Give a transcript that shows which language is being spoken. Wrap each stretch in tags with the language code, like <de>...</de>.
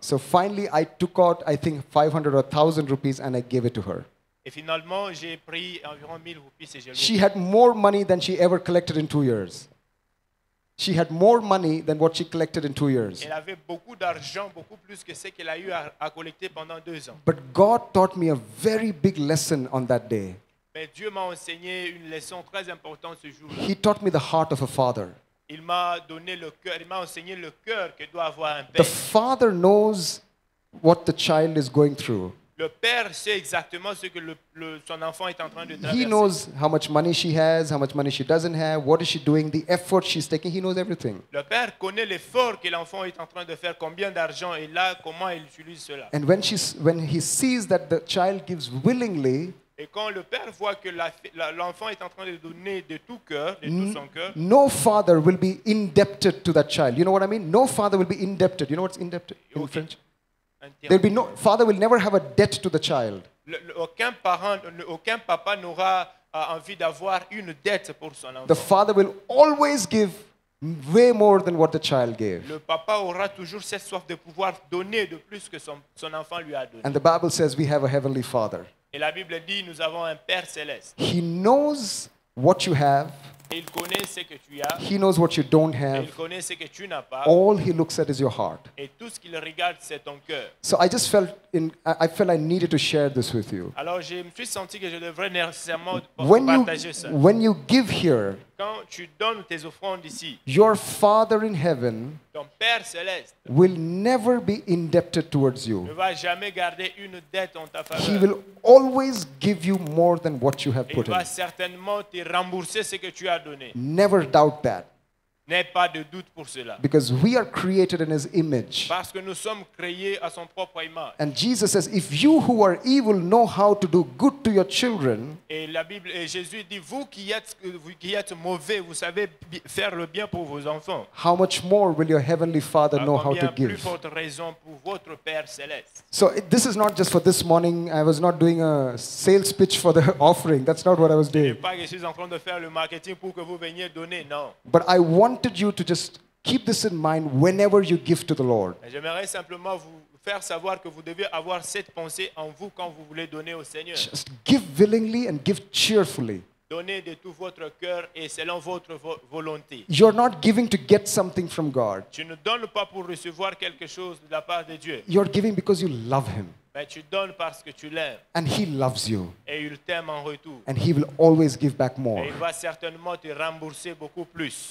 <en>So finally, I took out, I think, 500 or 1,000 rupees and I gave it to her.</en> <fr>Et finalement, j'ai pris environ 1,000 rupees et j'ai</fr> <en>She had more money than she ever collected in 2 years. She had more money than what she collected in 2 years.</en> <fr>Elle avait beaucoup d'argent, beaucoup plus que ce qu'elle a eu à collecter pendant 2 ans.</fr> <en>But God taught me a very big lesson on that day.</en> <fr>Mais Dieu m'a enseigné une leçon très importante ce jour-là.</fr> <en>He taught me the heart of a father.</en> <fr>Il m'a donné le cœur. Il m'a enseigné le cœur que doit avoir un père.</fr> <en>The father knows what the child is going through.</en> <fr>Le père sait exactement ce que son enfant est en train de traverser.</fr> <en>He knows how much money she has, how much money she doesn't have, what is she doing, the effort she's taking. He knows everything.</en> <fr>Le père connaît l'effort que l'enfant est en train de faire, combien d'argent il a, comment il utilise cela.</fr> <en>And when he sees that the child gives willingly,</en> <fr>Et quand le père voit que l'enfant est en train de donner de tout cœur, de tout son cœur.</fr> <en>No father will be indebted to that child. You know what I mean? No father will be indebted. You know what's indebted in okay. French? There'll be no father will never have a debt to the child.</en> <fr>Aucun papa n'aura envie d'avoir une dette pour son enfant.</fr> <en>The father will always give way more than what the child gave.</en> <fr>Le papa aura toujours cette soif de pouvoir donner de plus que son enfant lui a donné.</fr> <en>And the Bible says we have a heavenly father.</en> <fr>Et la Bible dit nous avons un père céleste.</fr> <en>He knows what you have.</en> <fr>Il connaît ce que tu as.</fr> <en>He knows what you don't have.</en> <fr>Il connaît ce que tu n'as pas.</fr> <en>All he looks at is your heart.</en> <fr>Et tout ce qu'il regarde c'est ton cœur.</fr> <en>So I just felt in I felt I needed to share this with you.</en> <fr>Alors je me suis senti que je devrais nécessairement partager ça.</fr> <en>When you give here,</en> <fr>quand tu donnes tes offrandes ici,</fr> <en>your father in heaven,</en> <fr>ton père céleste,</fr> <en>will never be indebted towards you.</en> <fr>Ne va jamais garder une dette en ta faveur.</fr> <en>He will always give you more than what you have put in.</en> <fr>Il va certainement te rembourser ce que tu as donné.</fr> <en>Never doubt that.</en> <fr>N'aie pas de doute pour cela.</fr> <en>Because we are created in his image.</en> <fr>Parce que nous sommes créés à son propre image.</fr> <en>And Jesus says, if you who are evil know how to do good to your children,</en> <fr>et la Bible, et Jésus dit, vous qui êtes mauvais, vous savez faire le bien pour vos enfants.</fr> <en>How much more will your heavenly father know how to give?</en> <fr>Plus forte raison pour votre Père céleste.</fr> <en>So this is not just for this morning. I was not doing a sales pitch for the offering. That's not what I was doing.</en> <fr>Ce n'est pas que je suis en train de faire le marketing pour que vous veniez donner, non.</fr> <en>But I wanted you to just keep this in mind whenever you give to the Lord.</en> <fr>J'aimerais simplement vous faire savoir que vous devez avoir cette pensée en vous quand vous voulez donner au Seigneur.</fr> <en>Just give willingly and give cheerfully.</en> <fr>Donnez de tout votre cœur et selon votre volonté.</fr> <en>You're not giving to get something from God.</en> <fr>Tu ne donnes pas pour recevoir quelque chose de la part de Dieu.</fr> <en>You're giving because you love him.</en> <fr>Mais tu donnes parce que tu l'aimes.</fr> <en>And he loves you.</en> <fr>Et il t'aime en retour.</fr> <en>And he will always give back more.</en> <fr>Et il va certainement te rembourser beaucoup plus.</fr>